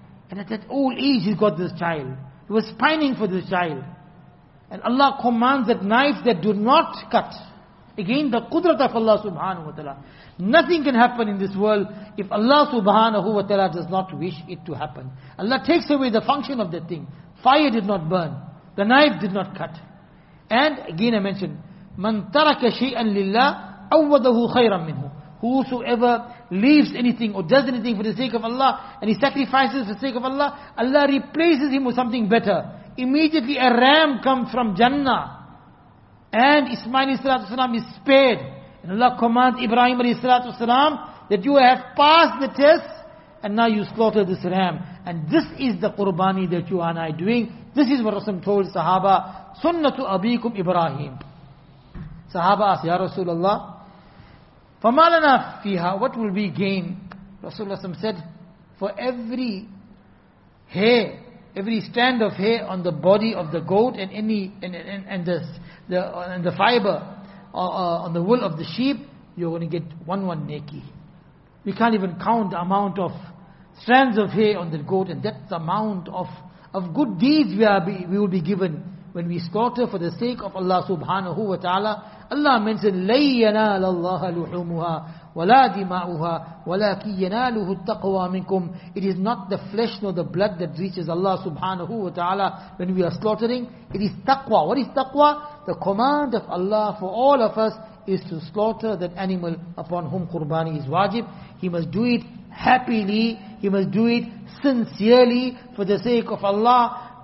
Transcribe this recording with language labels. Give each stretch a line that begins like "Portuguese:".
English: And at that old age he's got this child. He was pining for this child. And Allah commands that knives that do not cut. Again, the qudrat of Allah subhanahu wa ta'ala. Nothing can happen in this world if Allah subhanahu wa ta'ala does not wish it to happen. Allah takes away the function of that thing. Fire did not burn. The knife did not cut.
Arabic: And again I mentioned, مَن تَرَكَ شَيْئًا لِلَّهِ أَوَّدَهُ خَيْرًا مِنْهُ.
English: Whosoever leaves anything or does anything for the sake of Allah, and he sacrifices for the sake of Allah, Allah replaces him with something better. Immediately a ram comes from Jannah. And Ismail is spared. And Allah commands Ibrahim that you have passed the test and now you slaughter this ram. And this is the qurbani that you and I are doing. This is what Rasul told Sahaba,
Arabic: Sunnatu Abikum Ibrahim.
English: Sahaba asked, Ya Rasulullah,
Arabic: فَمَا لَنَا فِيهَا,
English: what will be gained? Rasulullah said, for every hair, every strand of hair on the body of the goat and the fiber on the wool of the sheep, you're going to get one neki. We can't even count the amount of strands of hair on the goat, and that's the amount of good deeds we will be given when we slaughter for the sake of Allah subhanahu wa ta'ala.
Arabic: Allah mentioned, لَيْ يَنَالَ اللَّهَ لُحُومُهَا وَلَا دِمَاؤُهَا وَلَكِي يَنَالُهُ التَّقْوَى مِنْكُمْ.
English: It is not the flesh nor the blood that reaches Allah subhanahu wa ta'ala when we are slaughtering. It is taqwa. What is taqwa? The command of Allah for all of us is to slaughter that animal upon whom qurbani is wajib. He must do it happily. He must do it sincerely for the sake of Allah.